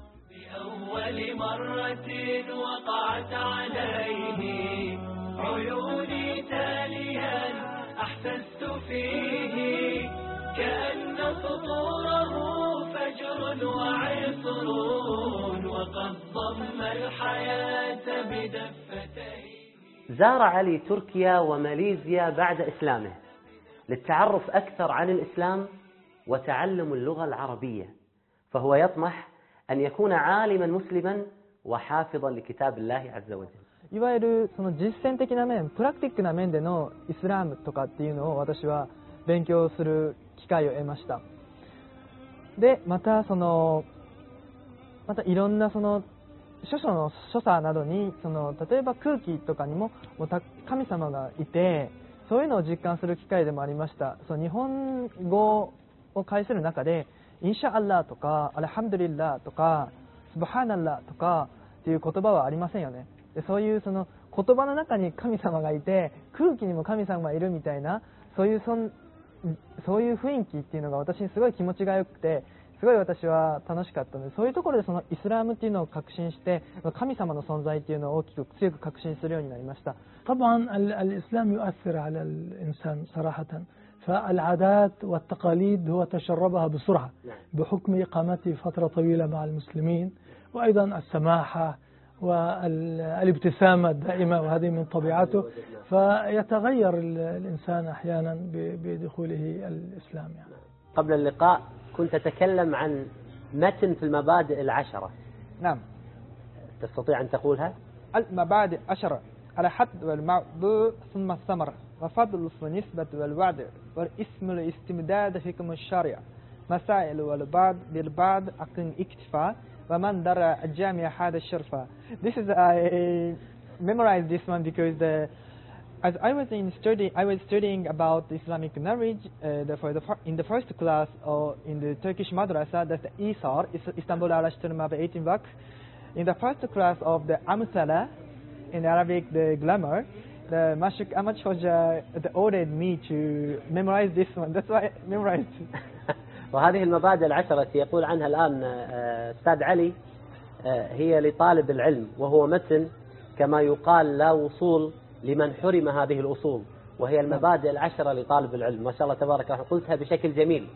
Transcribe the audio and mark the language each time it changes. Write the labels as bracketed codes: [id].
[ar] بأول مرة وقعت عليه عيوني تاليا أحسست فيه كأن سطوره فجر وعصر وقد ضم الحياة بدفتيه. زار علي تركيا وماليزيا بعد إسلامه للتعرف أكثر عن الإسلام وتعلم اللغة العربية، فهو يطمح أن يكون عالما مسلما وحافظا لكتاب الله عز وجل. [ja] いわゆるその実践的な面、プラクティックな面でのイスラムとかっていうのを私は勉強する機会を得ました。でまたそのまたいろんなその諸書の所作などにその例えば空気とかに もう神様がいてそういうのを実感する機会でもありました。その日本語を介する中でインシャアラーとかアルハムドリッラーとかスブハーナラーとかっていう言葉はありませんよね。でそういうその言葉の中に神様がいて空気にも神様がいるみたいなそういう雰囲気っていうのが私にすごい気持ちがよくてすごい私は楽しかったので、そういうところでそのイスラムっていうのを確信して神様の存在っていうのを大きく強く確信するようになりました。 [ar] طبعا الإسلام يؤثر على الإنسان صراحة فالعادات والتقاليد هو تشربها بسرعة بحكم إقامته فترة طويلة مع المسلمين وأيضا السماحة والابتسامة الدائمة وهذه من طبيعته فيتغير الإنسان أحيانا بدخوله الإسلام يعني. قبل اللقاء كنت تتكلم عن متن في المبادئ العشرة. نعم. تستطيع أن تقولها؟ المبادئ عشرة: الحد والموضوع ثم الثمر وفضل النسبة والوعد والاسم الاستمداد حكم الشرع مسائل والبعض بالبعض أكن اكتفاء ومن درى الجامع حاد الشرفة. [en] This is I memorized this one because the As I was in study, I was studying about Islamic marriage in the first class in the Turkish madrasa, that's the Isar, Istanbul Araştırma ve Eğitim Vakfı. In the first class of the Amsala, in Arabic the grammar, the Mashuk Amaç Hoca ordered me to memorize this one. That's why I memorized. [ar] وهذه المبادئ العشرة يقول عنها الآن أستاذ علي هي لطالب العلم وهو متن كما يقال لا وصول لمن حرم هذه الأصول وهي المبادئ العشرة لطالب العلم. ما شاء الله تبارك الله قلتها بشكل جميل.